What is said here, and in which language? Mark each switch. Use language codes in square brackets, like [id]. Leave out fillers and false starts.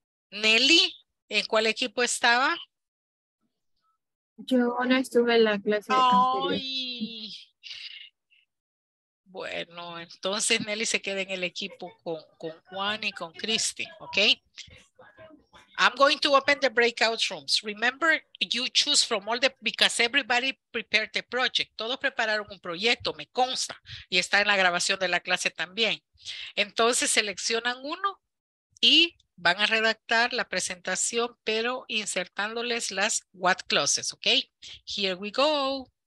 [es] Nelly, ¿en cuál equipo estaba? Yo no estuve en la clase. Ay. Bueno, entonces Nelly se queda en el equipo con Juan y con Christy, ¿ok? [en] I'm going to open the breakout rooms. Remember, you choose from all the, because everybody prepared the project. [es] Todos prepararon un proyecto, me consta, y está en la grabación de la clase también. Entonces seleccionan uno y van a redactar la presentación, pero insertándoles las what clauses, ¿ok? [en] Here we go.